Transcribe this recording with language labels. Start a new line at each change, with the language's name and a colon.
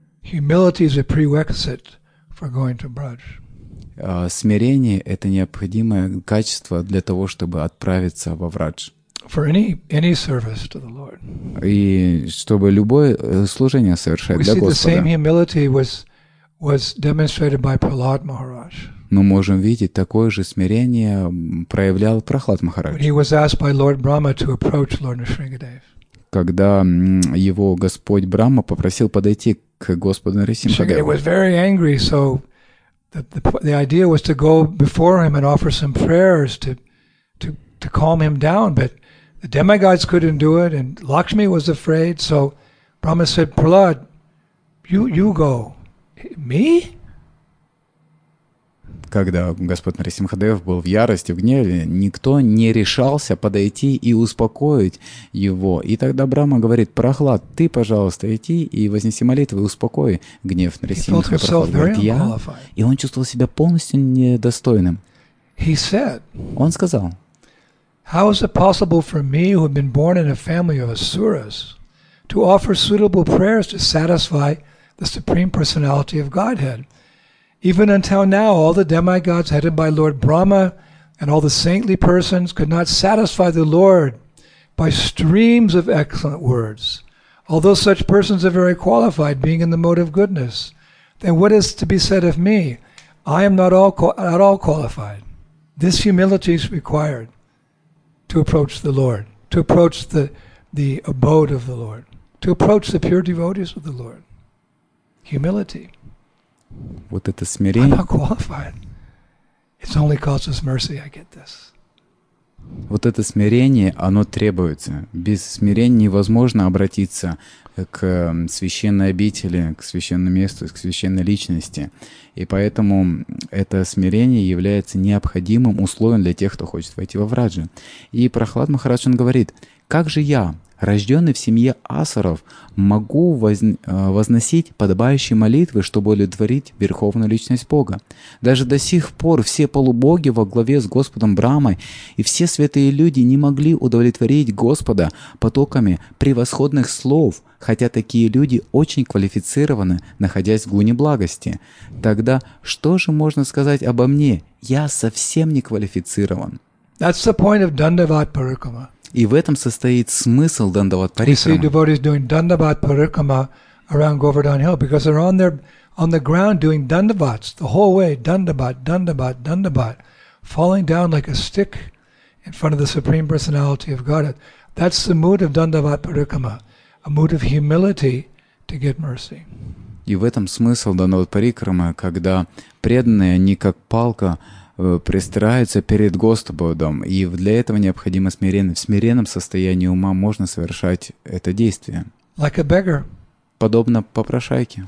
English: Humility is a prerequisite for going to Braj.
Russian: Смирение — это необходимое качество для того, чтобы отправиться во Врадж.
English: For any service to the Lord.
Russian: И чтобы любое служение совершать для Господа.
English: We see the same humility was demonstrated by Prahlad Maharaj.
Russian: Мы можем видеть такое же смирение проявлял Прохлад Махарадж.
English: He was asked by Lord Brahma to approach Lord Nrisimhadev.
Russian: Когда его Господь Брахма попросил подойти к Господу Нрисимхадеву.
English: He was very angry, so the idea was to go before him and offer some prayers to calm him down, but the demigods couldn't do it, and Lakshmi was afraid, so Brahma said, Prahlad, you go. Me?
Russian: Когда Господь Нарисимхадев был в ярости, в гневе, никто не решался подойти и успокоить его. И тогда Брахма говорит, Прохлад, ты, пожалуйста, иди и вознеси молитву и успокой гнев Нарисимхадев. И он чувствовал себя полностью недостойным.
English: He said,
Russian: он сказал,
English: how is it possible for me, who have been born in a family of asuras, to offer suitable prayers to satisfy the Supreme Personality of Godhead? Even until now, all the demigods headed by Lord Brahma and all the saintly persons could not satisfy the Lord by streams of excellent words. Although such persons are very qualified, being in the mode of goodness, then what is to be said of me? I am not at all qualified. This humility is required. to approach the Lord, to approach the abode of the Lord, to approach the pure devotees of the Lord. Humility.
Russian: Вот это смирение.
English: I'm not qualified. It's only cause of mercy I get this.
Russian: Вот это смирение, оно требуется. Без смирения невозможно обратиться к священной обители, к священному месту, к священной личности. И поэтому это смирение является необходимым условием для тех, кто хочет войти во враджу. И Прохлад Махарадж говорит, как же я, рожденный в семье асуров, могу возносить подобающие молитвы, чтобы удовлетворить Верховную Личность Бога. Даже до сих пор все полубоги во главе с Господом Брахмой и все святые люди не могли удовлетворить Господа потоками превосходных слов, хотя такие люди очень квалифицированы, находясь в гуне благости. Тогда что же можно сказать обо мне? Я совсем не квалифицирован.
English: That's the point of Dandavat Parikrama.
Russian: И в этом состоит смысл Дандават Парикрама.
English: You see devotees doing Dandavat Parikrama around Govardhan Hill because they're on the ground doing Dandavats the whole way, Dandavat, Dandavat, Dandavat, falling down like a stick in front of the Supreme Personality of Godhead. That's the mood of Dandavat Parikrama, a mood of humility to get mercy.
Russian: И в этом смысл Дандават Парикрама, когда преданные, они как палка, пристраиваются перед Господом, и для этого необходимо смиренно. В смиренном состоянии ума можно совершать это действие.
English: Like a beggar.
Russian: Подобно попрошайке.